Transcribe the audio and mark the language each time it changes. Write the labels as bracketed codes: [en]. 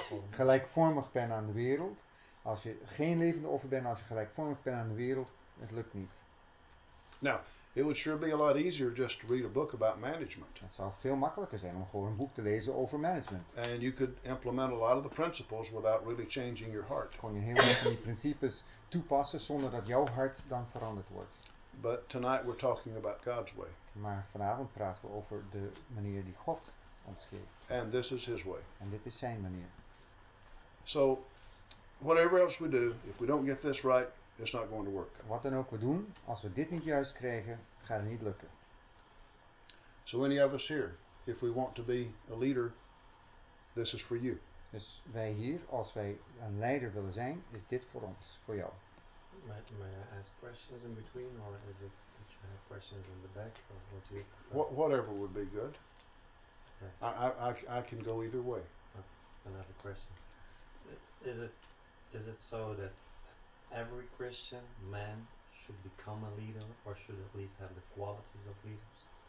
[nl] Gelijkvormig bent aan de wereld. Als je geen levende offer bent, als je gelijkvormig bent aan de wereld, het lukt niet. [en] Now, it would sure be a lot easier just to read a book about management. [nl] Het zou veel makkelijker zijn om gewoon een boek te lezen over management. [en] And you could implement a lot of the principles without really changing your heart. [nl] Kon je heel veel van die principes toepassen zonder dat jouw hart dan veranderd wordt. [en] But tonight we're talking about God's way. [nl] Maar vanavond praten we over de manier die God ons geeft. [en] And this is His way. [nl] En dit is zijn manier. [en] So, whatever else we do, if we don't get this right, it's not going to work. [nl] Wat dan ook we doen, als we dit niet juist krijgen, gaat het niet lukken. [en] So any of us here, if we want to be a leader, this is for you. [nl] Dus wij hier, als wij een leider willen zijn, is dit voor ons, voor jou. [en] May I ask questions in between, or is it that you have questions in the back, or what do you? Whatever would be good. Okay. I can go either way. Another question. Is it so that every Christian man should become a leader, or should at least have the qualities of leaders?